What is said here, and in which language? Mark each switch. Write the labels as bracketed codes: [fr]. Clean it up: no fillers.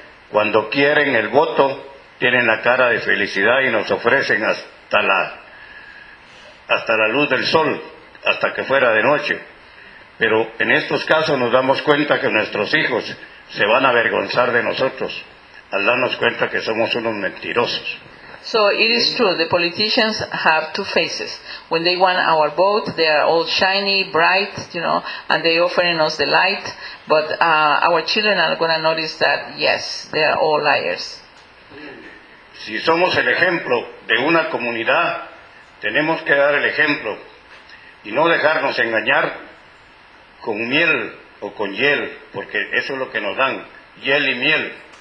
[es] Cuando quieren el voto, tienen la cara de felicidad y nos ofrecen hasta la luz del sol, hasta que fuera de noche. Pero en estos casos nos damos cuenta que nuestros hijos se van a avergonzar de nosotros al darnos cuenta que somos unos mentirosos. [en] So it is true, the politicians have two faces. When they want our vote, they are all shiny, bright, you know, and they're offering us the light. But our children are going to notice that, yes, they are all liars. [es] Si somos el ejemplo de una comunidad, tenemos que dar el ejemplo y no dejarnos engañar con miel o con hiel, porque eso es lo que nos dan, hiel y miel.